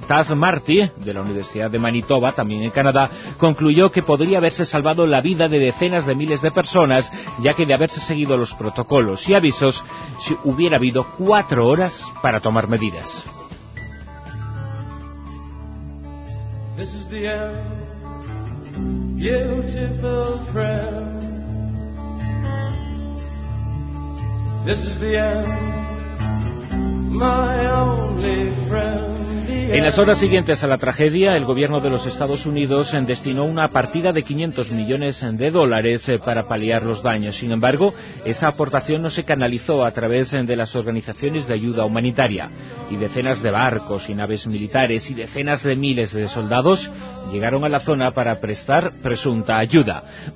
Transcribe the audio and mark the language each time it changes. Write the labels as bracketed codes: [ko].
[es] Taz Marty, de la Universidad de Manitoba, también en Canadá, concluyó que podría haberse salvado la vida de decenas de miles de personas, ya que de haberse seguido los protocolos y avisos, si hubiera habido 4 horas para tomar medidas. [en] This is the end, beautiful friend. This is the end, my only friend. [es] En las horas siguientes a la tragedia, el gobierno de los Estados Unidos destinó una partida de $500 millones para paliar los daños. Sin embargo, esa aportación no se canalizó a través de las organizaciones de ayuda humanitaria. Y decenas de barcos y naves militares y decenas de miles de soldados llegaron a la zona para prestar presunta ayuda.